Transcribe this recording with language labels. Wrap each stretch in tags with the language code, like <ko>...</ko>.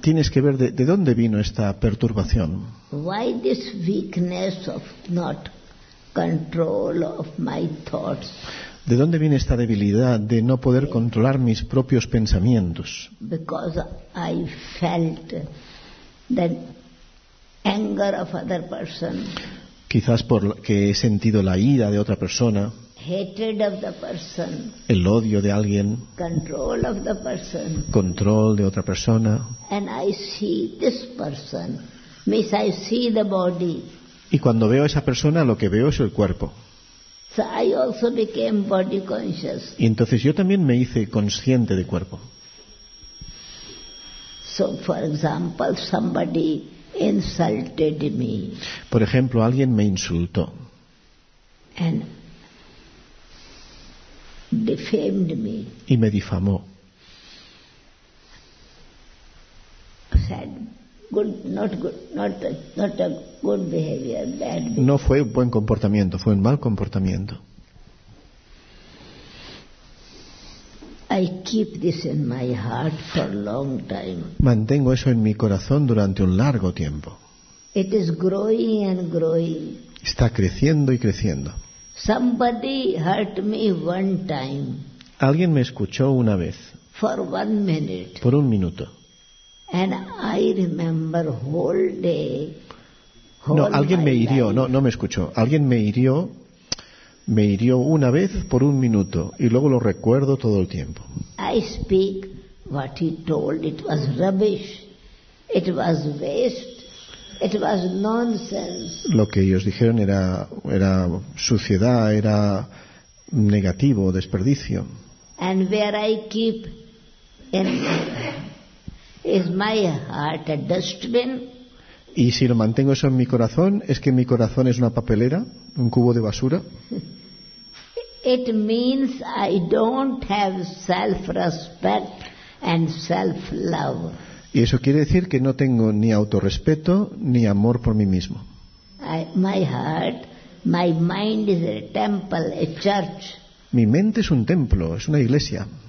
<es>Tienes que ver de dónde vino esta perturbación.</es> <en>Why this weakness of not control of my thoughts?</en> <es>¿De dónde viene esta debilidad de no poder controlar mis propios pensamientos?</es> <en>Because I felt the anger of other person.</en> <es>Quizás porque he sentido la ira de otra persona.</es> <en>Hatred of the person.</en> <es>El odio de alguien.</es> <en>Control of the person.</en> <es>Control de otra persona.</es> <en>And I see this person. Means I see the body.</en> <es>Y cuando veo a esa persona, lo que veo es el cuerpo.</es> <en>So I also became body conscious.</en> <es>Y entonces yo también me hice consciente de cuerpo.</es> <en>So for example, somebody insulted me.</en> <es>Por ejemplo, alguien me insultó.</es> <en>And defamed me.</en> <es>Y me difamó.</es> <en>Said good, not a good behavior, bad behavior.</en> <es>No fue un buen comportamiento, fue un mal comportamiento.</es> <en>I keep this in my heart for long time.</en> <es>Mantengo eso en mi corazón durante un largo tiempo.</es> <en>It is growing and growing.</en> <es>Está creciendo y creciendo.</es> <en>Somebody hurt me one time.</en> <es>Alguien me escuchó una vez.</es> <en>For one minute.</en> <es>Por un minuto.</es> <en>And I remember whole day.</en> <es>No, alguien me hirió. No me escuchó. Alguien me hirió. Me hirió una vez por un minuto y luego lo recuerdo todo el tiempo.</es> <en>I speak what he told. It was rubbish. It was waste. It was nonsense.</en> <es>Lo que ellos dijeron era suciedad, era negativo, desperdicio.</es> <en>And where I keep in is my heart a dustbin.</en> <es>Y si lo mantengo eso en mi corazón, es que mi corazón es una papelera, un cubo de basura.</es> <en>It means I don't have self-respect and self-love.</en> <es>Y eso quiere decir que no tengo ni autorrespeto ni amor por mí mismo.</es> <en>My heart, my mind is a temple, a church.</en> <es>Mi mente es un templo, es una iglesia.</es>